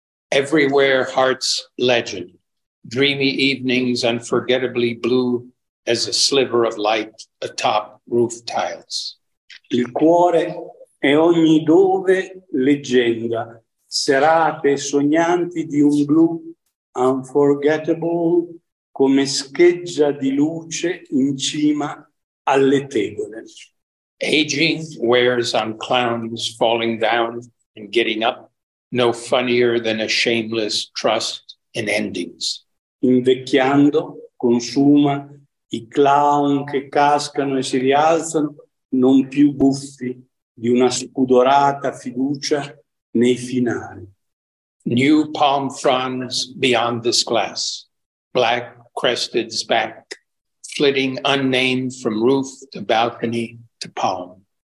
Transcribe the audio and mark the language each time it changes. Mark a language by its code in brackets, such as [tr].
[en] Everywhere heart's legend, dreamy evenings unforgettably blue as a sliver of light atop roof tiles. [it] Il cuore è ogni dove leggenda, serate sognanti di un blu [en] unforgettable [it] come scheggia di luce in cima alle tegole. [en] Aging wears on clowns falling down and getting up, no funnier than a shameless trust in endings. [it] Invecchiando consuma i clown che cascano e si rialzano, non più buffi di una spudorata fiducia nei finali. [en] New palm fronds beyond this glass, black crested back, flitting unnamed from roof to balcony to palm.